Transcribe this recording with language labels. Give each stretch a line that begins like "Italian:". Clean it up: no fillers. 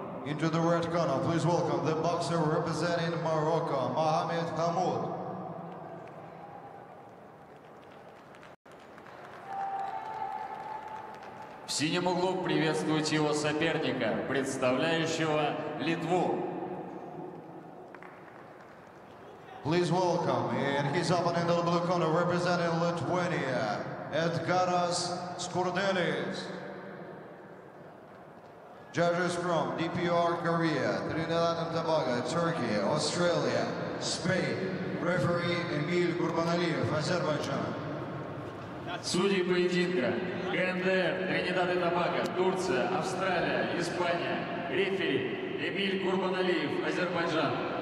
English: Into the red corner, please welcome the boxer representing Morocco, Mohamed Hamoud.
Russian: В синем углу приветствуйте его соперника, представляющего Литву.
English: Please welcome, and he's opening the blue corner representing Lithuania, Edgaras Skurdelis. Judges from DPR Korea, Trinidad and Tobago, Turkey, Australia, Spain. Referee Emil Gurbanaliev, Azerbaijan.
Russian: Судьи поединка: КНДР, Тринидад и Тобаго, Турция, Австралия, Испания. Рефери Эмиль Гурбаналивов, Азербайджан.